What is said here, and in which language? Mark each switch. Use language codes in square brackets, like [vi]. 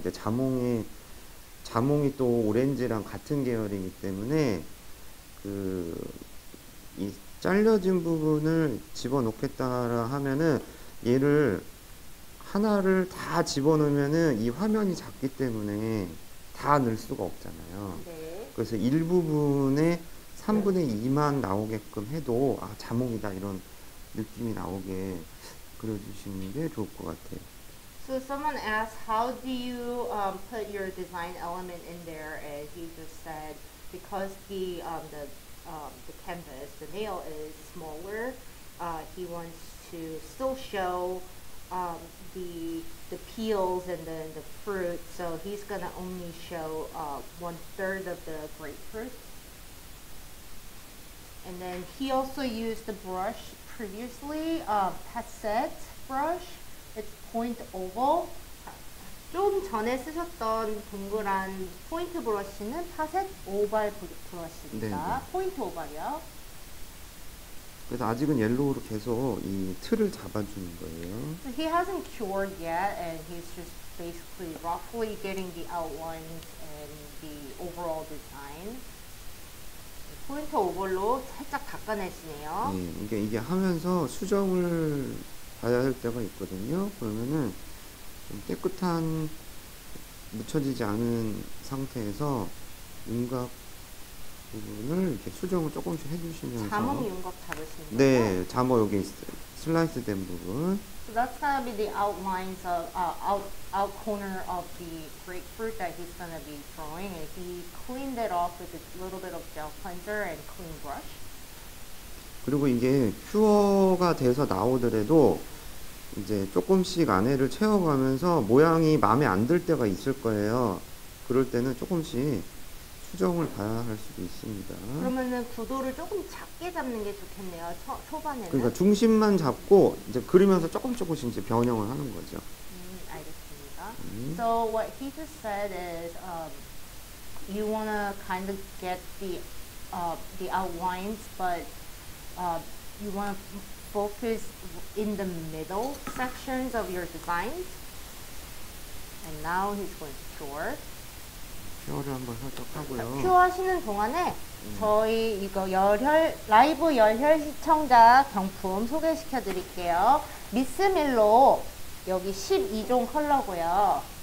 [ko] 근데 자몽이 또 오렌지랑 같은 계열이기 때문에 그 이 잘려진 부분을 집어넣겠다라 하면은 얘를 하나를 다 집어넣으면은 이 화면이 작기 때문에 다 넣을 수가 없잖아요. 그래서 일부분에 3분의 2만 나오게끔 해도 아 자몽이다 이런 느낌이 나오게 그려주시는 게 좋을 것 같아요. [en] So someone asked, how do you put your design element in there? And he just said, because the canvas, the nail is smaller, he wants to still show the peels and then the fruit. So he's gonna only show 1/3 of the grapefruit. And then he also used the brush. Previously, Passet brush, it's point oval. [ko] 좀 전에 쓰셨던 동그란 포인트 브러쉬는 Passet oval 브러쉬입니다. 네네. 포인트 오발이요. 그래서 아직은 옐로우로 계속 이 틀을 잡아주는 거예요. [en] So he hasn't cured yet, and he's just basically roughly getting the outlines and the overall design. [ko] 포인트 오버로 살짝 닦아내시네요. 네, 그러니까 이게 하면서 수정을 봐야 할 때가 있거든요. 그러면은 좀 깨끗한 묻혀지지 않은 상태에서 윤곽 부분을 이렇게 수정을 조금씩 해주시면서 자몽 윤곽 잡으시는 네, 거? 자몽 여기 슬라이스 된 부분. [en] So that's gonna be the outlines of out corner of the grapefruit that he's gonna be drawing. And he cleaned it off with a little bit of gel cleanser and clean brush. [ko] 그리고 이게 큐어가 돼서 나오더라도 이제 조금씩 안에를 채워가면서 모양이 마음에 안 들 때가 있을 거예요. 그럴 때는 조금씩 수정을 봐야 할 수도 있습니다. 그러면은 구도를 조금 작게 잡는 게 좋겠네요. 초반에는. 그러니까 중심만 잡고 이제 그리면서 조금씩 이제 변형을 하는 거죠. 알겠습니다. [en] So what he just said is you want to kind of get the outlines but you want to focus in the middle sections of your designs. And now he's going to cure. [ko] 큐어를 한번 살짝 하고요. 큐어 하시는 동안에 저희 이거 열혈 라이브 열혈 시청자 경품 소개시켜 드릴게요. 미스 밀로 여기 12종 컬러고요.